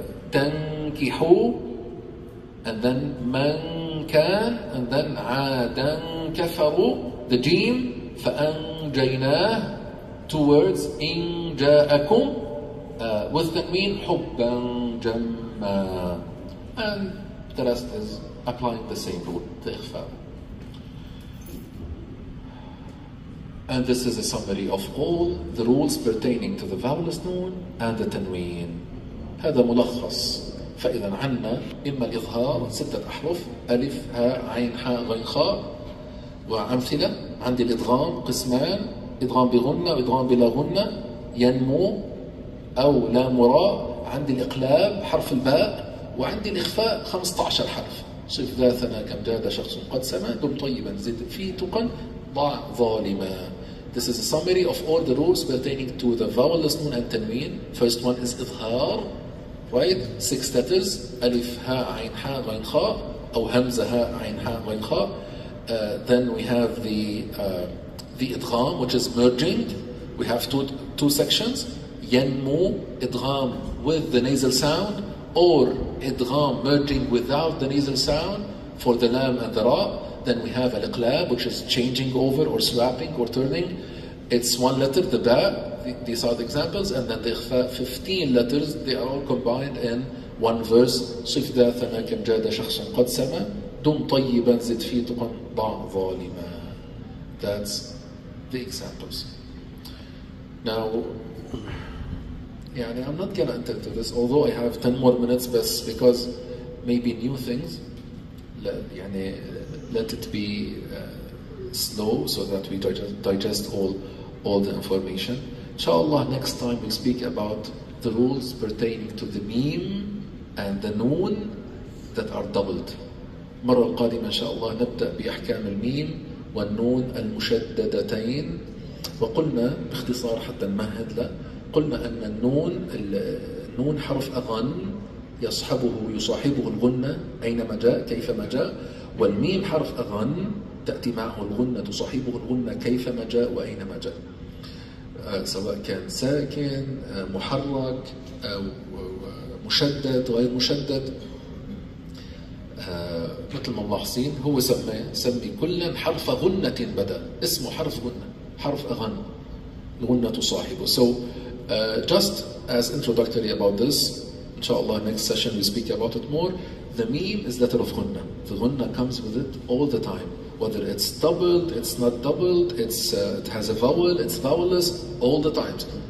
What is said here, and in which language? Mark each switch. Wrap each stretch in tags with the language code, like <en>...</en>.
<ar>تنكحوا,</ar> <en>and then</en> <ar>من كان,</ar> <en>and then</en> <ar>عادا كفروا,</ar> <en>the جيم,</en> <ar>فأنجيناه,</ar> <en>two words,</en> <ar>إن جاءكم,</ar> <en>with the mean</en> <ar>حبا جما,</ar> <en>and the rest is applying the same rule, the إخفاء. And this is a summary of all the rules pertaining to the vowelless noon and the tanween.</en> <ar>هذا ملخص. فإذا عنا إما الإظهار 6 أحرف ألف هاء عين حاء غين خاء وأمثلة. عندي الإدغام قسمان, إدغام بغنة وإدغام بلا غنة, ينمو أو لا مراء. عندي الإقلاب حرف الباء, وعندي الإخفاء 15 حرف. صيف ذا ثنا كم جاد شخص قد سما, دم طيبا زد في تقن ضع ظالما.</ar> <en>This is a summary of all the rules pertaining to the vowelless noon and tanween. First one is إظهار, right? 6 letters,</en> <ar>ألف هاء عين حاء غين خاء, أو همزة هاء عين حاء غين خاء.</ar> <en>Then we have the إدغام, which is merging. We have two sections, ينمو, إدغام with the nasal sound, or إدغام merging without the nasal sound for the لام and the راء. then we have al-iqlab, which is changing over or swapping or turning. It's one letter, the ba. These are the examples, and then the ikhfa, 15 letters, they are all combined in one verse.</en> <ar>صف ذات ما كم جاد شخص قد سما دم طيبا زد في تقن ضع ظالما.</ar> <en>That's the examples. Now, yeah, I'm not gonna enter into this, although I have 10 more minutes, but because maybe new things, let it be slow so that we digest all the information. Inshallah, next time we speak about the rules pertaining to the meme and the noon that are doubled.</en> <ar>مرة القادمة إن شاء الله نبدأ بأحكام الميم والنون المشددتين. وقلنا باختصار حتى نمهد له, قلنا أن النون حرف أغن يصاحبه الغنة أينما جاء كيفما جاء, والميم حرف أغن تأتي معه الغنة تصاحبه الغنة كيفما جاء وأينما جاء, سواء كان ساكن محرك أو مشدد غير مشدد. مثل ما ملاحظين هو سمي كلا حرف غنة, بدأ اسمه حرف غنة, حرف أغن غنة صاحبه.</ar> <en>So just as introductory about this, inshallah next session we speak about it more. The meme is letter of غنة. The غنة comes with it all the time, whether it's doubled, it's not doubled, it's it has a vowel, it's vowelless, all the times.</en>